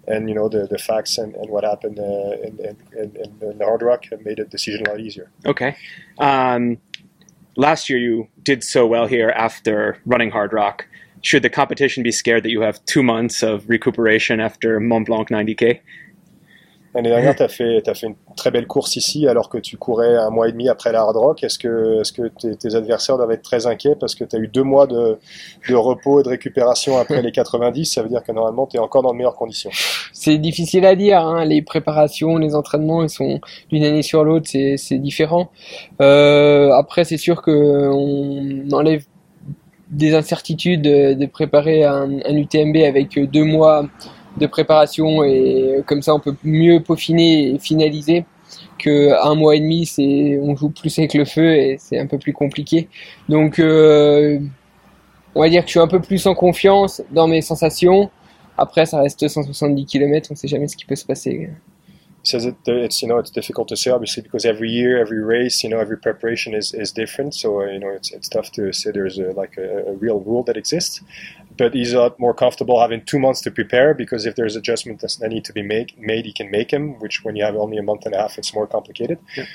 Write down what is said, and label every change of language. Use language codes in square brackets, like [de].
[en] And the facts and what happened in the Hard Rock made the decision a lot easier. Okay. Last year you did so well here after running Hard Rock. Should the competition be scared that you have 2 months of recuperation after Mont Blanc 90K? [fr] L'année dernière, t'as fait une très belle course ici, alors que tu courais un mois et demi après la Hard Rock. Est-ce que tes adversaires doivent être très inquiets parce que t'as eu 2 mois de repos et de récupération après les 90? Ça veut dire que normalement, t'es encore dans de meilleures conditions. C'est difficile à dire. Hein, les préparations, les entraînements, ils sont d'une année sur l'autre, c'est différent. Après, c'est sûr qu'on enlève des incertitudes de préparer un UTMB avec 2 mois de préparation, et comme ça on peut mieux peaufiner et finaliser. que un mois et demi, c'est on joue plus avec le feu et c'est un peu plus compliqué. Donc, on va dire que je suis un peu plus en confiance dans mes sensations. Après, ça reste 170 km, on sait jamais ce qui peut se passer. [en] Says it, it's, you know, it's difficult to say, obviously, because every year, every race, you know, every preparation is different. So, you know, it's tough to say there's a, like a real rule that exists. But he's a lot more comfortable having 2 months to prepare, because if there's adjustments that need to be made, he can make them, which when you have only a month and a half, it's more complicated. Yeah.